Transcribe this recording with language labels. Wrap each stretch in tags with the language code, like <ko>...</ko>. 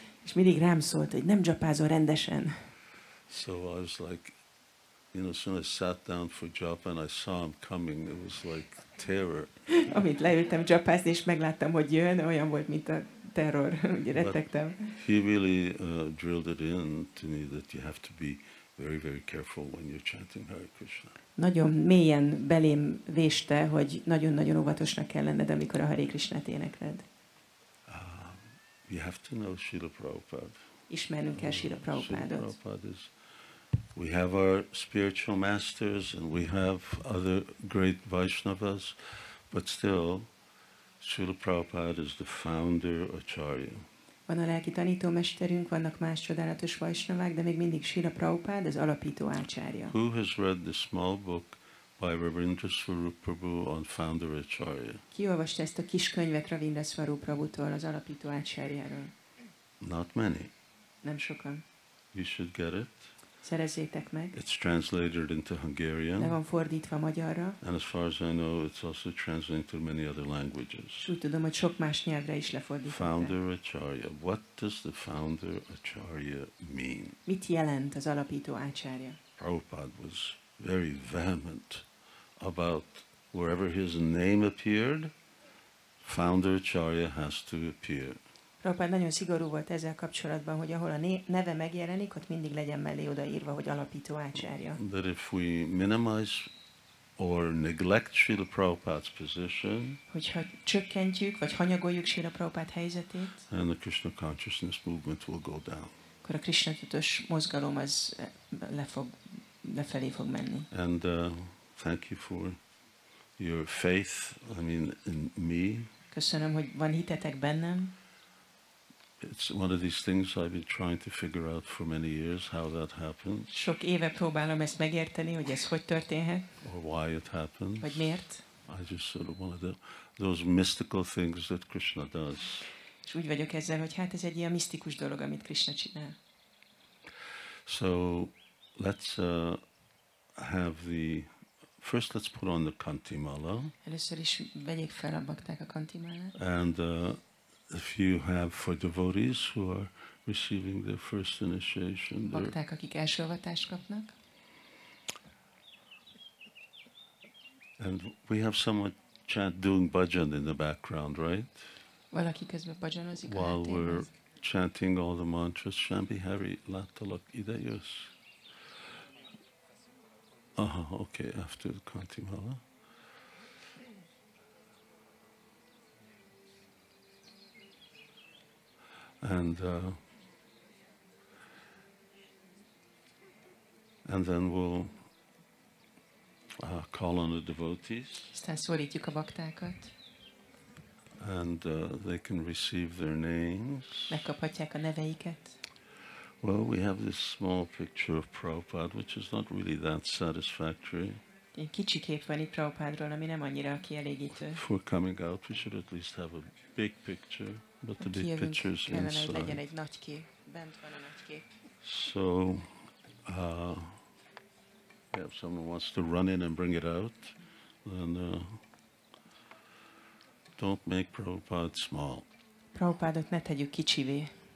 <hu>És mindig rám szólt, hogy nem japázol rendesen.</hu> <en>So I was like, you know, as soon as I sat down for japa and I saw him coming, it was like terror.</en> <hu>Amit leültem japázni és megláttam, hogy jön, olyan volt, mint a terror, úgy rettegtem.</hu> <en>He really drilled it in to me that you have to be very, very careful when you're chanting Hare Krishna.</en> <hu>Nagyon mélyen belém véste, hogy nagyon-nagyon óvatosnak kell lenned, amikor a Hare Krishnát énekled.</hu> <en>You have to know Srila Prabhupada.</en> <hu>Ismernünk kell Srila Prabhupádot.</hu> <en>Srila Prabhupada is, we have our spiritual masters and we have other great Vaiṣṇavas, but still, Srila Prabhupada is the founder acharya.</en> <hu>Van a lelki tanítómesterünk, vannak más csodálatos vaisnavák, de még mindig Srila Prabhupád, az alapító ácsárja.</hu> <en>Who has read the small book by Ravindra Swarup Prabhu on founder acharya?</en> <hu>Ki olvasta ezt a kis könyvet Ravindra Swarup Prabhutól, az alapító ácsárjáról?</hu> <en>Not many.</en> <hu>Nem sokan.</hu> <en>You should get it.</en> <hu>Szerezzétek meg.</hu> <en>It's translated into Hungarian.</en> <hu>Le van fordítva magyarra.</hu> <en>And as far as I know, it's also translated into many other languages.</en> <hu>Úgy tudom, hogy sok más nyelvre is lefordítva.</hu> <en>Founder Acharya. What does the founder Acharya mean?</en> <hu>Mit jelent az alapító ácsárja?</hu> <en>Prabhupada was very vehement about wherever his name appeared, founder Acharya has to appear.</en> <hu>Prabhupád nagyon szigorú volt ezzel kapcsolatban, hogy ahol a neve megjelenik, ott mindig legyen mellé odaírva, hogy alapító ácsárja.</hu> <en>That if we minimize or neglect Srila Prabhupada's position,</en> <hu>hogyha csökkentjük vagy hanyagoljuk Srila Prabhupada helyzetét,</hu> <en>then the Krishna consciousness movement will go down.</en> <hu>Akkor a Krishna tudatos mozgalom az lefelé fog menni.</hu> <en>And thank you for your faith, I mean in me.</en> <hu>Köszönöm, hogy van hitetek bennem.</hu> <en>It's one of these things I've been trying to figure out for many years, how that happens.</en> <hu>Sok éve próbálom ezt megérteni, hogy ez hogy történhet.</hu> <en>Or why it happens.</en> <hu>Vagy miért.</hu> <en>I just sort of one of those mystical things that Krishna does.</en> <hu>És úgy vagyok ezzel, hogy hát ez egy ilyen misztikus dolog, amit Krishna csinál.</hu> <en>So, let's have the... First, let's put on the kantimala.</en> <hu>Először is vegyék fel a bakták a kantimalát.</hu> <en>And if you have for devotees who are receiving their first initiation,</en> <hu>bakták, akik első avatást kapnak.</hu> <en>And we have someone chant doing bhajan in the background, right?</en> <hu>Valaki közben bhajanozik.</hu> <en>While we're chanting all the mantras, Shambhi Hari Latalak Idayus. Okay, after the Kantimala. And then we'll call on the devotees.</en> <hu>Aztán szólítjuk a baktákat.</hu> <en>And they can receive their names.</en> <hu>Megkaphatják a neveiket.</hu> <en>Well, we have this small picture of Prabhupada, which is not really that satisfactory.</en> <hu>Egy kicsi kép van itt Prabhupádról, ami nem annyira kielégítő.</hu> <en>For coming out, we should at least have a big picture, but the big picture is inside.</en> <hu>Kellene, legyen egy nagy kép. Bent van a nagy kép.</hu> <en>So, yeah, if someone wants to run in and bring it out, then don't make Prabhupada small.</en> <hu>Prabhupádot ne tegyük kicsivé.</hu>